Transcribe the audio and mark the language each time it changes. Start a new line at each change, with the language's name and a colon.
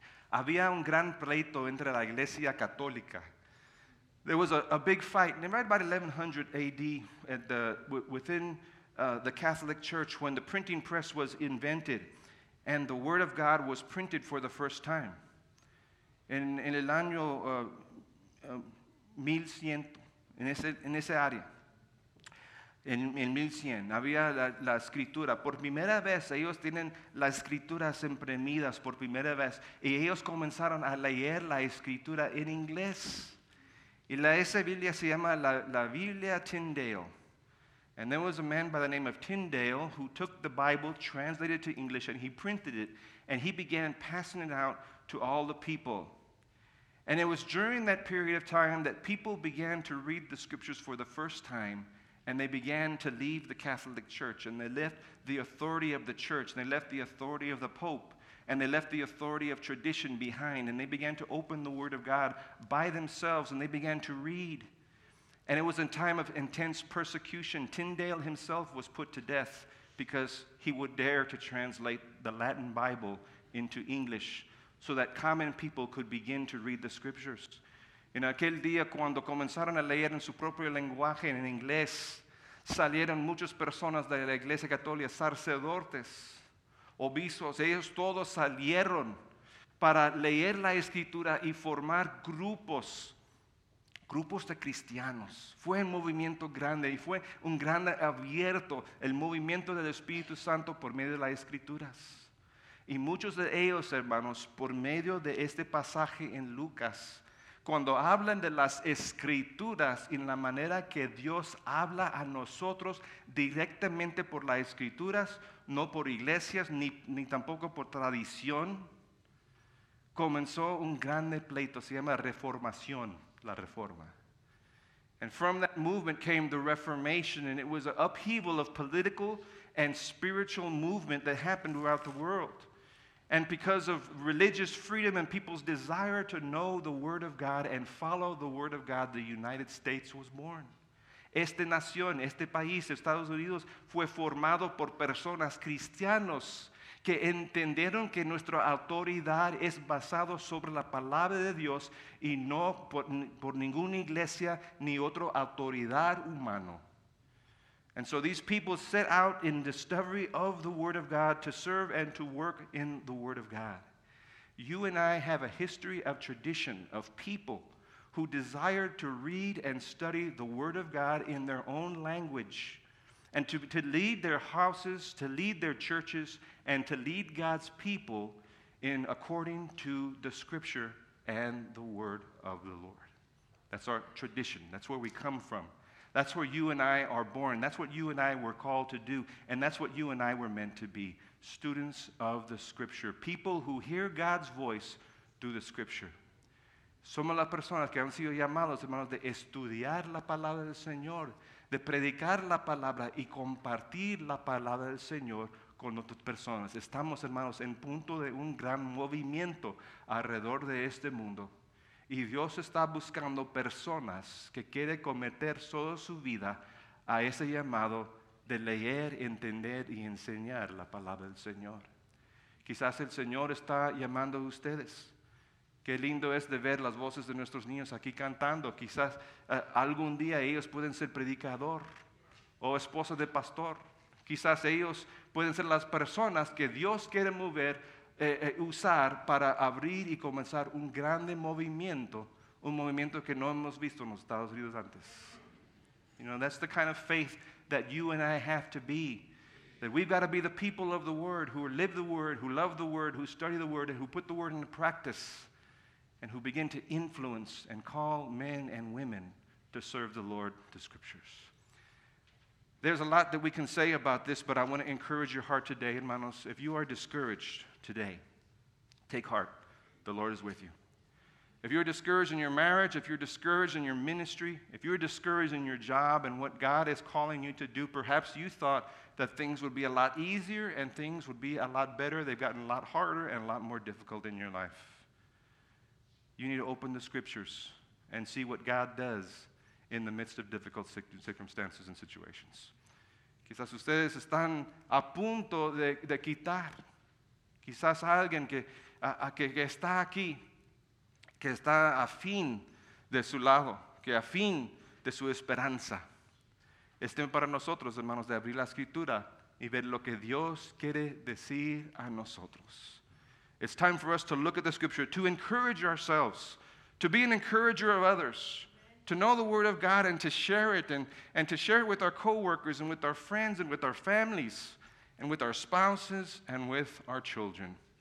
Spanish: Había un gran pleito entre la iglesia católica.
English: There was a big fight, and right about 1100 A.D., within the Catholic Church, when the printing press was invented, and the Word of God was printed for the first time.
Spanish: En el año 1100, en ese área, en 1100, había la escritura. Por primera vez, ellos tienen las escrituras imprimidas por primera vez, y ellos comenzaron a leer la escritura en inglés. Y esa Biblia se llama la Biblia Tyndale.
English: And there was a man by the name of Tyndale who took the Bible, translated it to English, and he printed it. and he began passing it out to all the people. And it was during that period of time that people began to read the scriptures for the first time, and they began to leave the Catholic Church, and they left the authority of the church, and they left the authority of the Pope, and they left the authority of tradition behind, and they began to open the Word of God by themselves, and they began to read. And it was a time of intense persecution. Tyndale himself was put to death because he would dare to translate the Latin Bible into English so that common people could begin to read the scriptures.
Spanish: En aquel día, cuando comenzaron a leer en su propio lenguaje, en inglés, salieron muchas personas de la Iglesia Católica, sacerdotes, obispos, ellos todos salieron para leer la Escritura y formar grupos. Grupos de cristianos. Fue un movimiento grande y fue un gran abierto el movimiento del Espíritu Santo por medio de las Escrituras. Y muchos de ellos, hermanos, por medio de este pasaje en Lucas, cuando hablan de las Escrituras y la manera que Dios habla a nosotros directamente por las Escrituras, no por iglesias ni tampoco por tradición, comenzó un gran pleito, se llama Reformación. La Reforma.
English: And from that movement came the Reformation, and it was an upheaval of political and spiritual movement that happened throughout the world. And because of religious freedom and people's desire to know the Word of God and follow the Word of God, the United States was born.
Spanish: Esta nación, este país, Estados Unidos, fue formado por personas cristianos que entendieron que nuestra autoridad es basada sobre la palabra de Dios y no por ninguna iglesia ni otra autoridad humana.
English: And so these people set out in discovery of the Word of God to serve and to work in the Word of God. You and I have a history of tradition of people who desired to read and study the Word of God in their own language and to lead their houses, to lead their churches, and to lead God's people in according to the Scripture and the Word of the Lord. That's our tradition. That's where we come from. That's where you and I are born. That's what you and I were called to do, and that's what you and I were meant to be, students of the Scripture, people who hear God's voice through the Scripture.
Spanish: Somos las personas que han sido llamados, hermanos, de estudiar la palabra del Señor, de predicar la palabra y compartir la palabra del Señor con otras personas. Estamos, hermanos, en punto de un gran movimiento alrededor de este mundo. Y Dios está buscando personas que quieren cometer toda su vida a ese llamado de leer, entender y enseñar la palabra del Señor. Quizás el Señor está llamando a ustedes. Qué lindo es de ver las voces de nuestros niños aquí cantando. Quizás algún día ellos pueden ser predicador o esposa de pastor. Quizás ellos pueden ser las personas que Dios quiere mover, usar para abrir y comenzar un grande movimiento, un movimiento que no hemos visto en los Estados Unidos antes.
English: You know, that's the kind of faith that you and I have to be. That we've got to be the people of the Word who live the Word, who love the Word, who study the Word, and who put the Word into practice. And who begin to influence and call men and women to serve the Lord, the Scriptures. There's a lot that we can say about this, but I want to encourage your heart today, hermanos. If you are discouraged today, take heart. The Lord is with you. If you're discouraged in your marriage, if you're discouraged in your ministry, if you're discouraged in your job and what God is calling you to do, perhaps you thought that things would be a lot easier and things would be a lot better. They've gotten a lot harder and a lot more difficult in your life. You need to open the scriptures and see what God does in the midst of difficult circumstances and situations.
Spanish: Quizás ustedes están a punto de quitar. Quizás alguien que está aquí, que está a fin de su lado, que a fin de su esperanza. Estén para nosotros, hermanos, de abrir la escritura y ver lo que Dios quiere decir a nosotros.
English: It's time for us to look at the scripture, to encourage ourselves, to be an encourager of others, to know the word of God and to share it, and to share it with our co-workers and with our friends and with our families and with our spouses and with our children.